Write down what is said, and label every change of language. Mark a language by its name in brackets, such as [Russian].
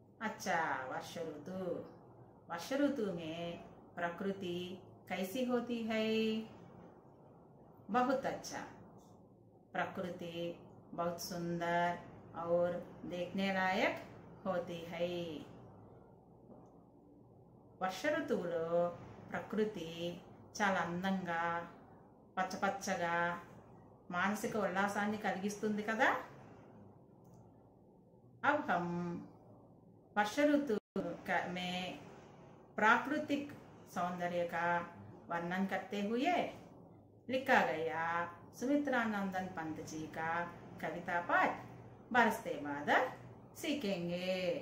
[Hindi] अच्छा, वर्ष ऋतु। वर्ष ऋतु में प्रकृति कैसी होती है? बहुत अच्छा। प्रकृति बहुत सुंदर और देखने लायक होती है। [Telugu] वर्ष ऋतुలో ప్రకృతి చాలా అందంగా పచ్చపచ్చగా మానసిక ఉల్లాసాన్ని కలిగిస్తుంది కదా। [Hindi] अब हम वर्ष ऋतु में प्राकृतिक सौंदर्य का वर्णन करते हुए लिखा गया सुमित्रानंदन पंत जी का कविता पाठ बरसते बादल सीखेंगे।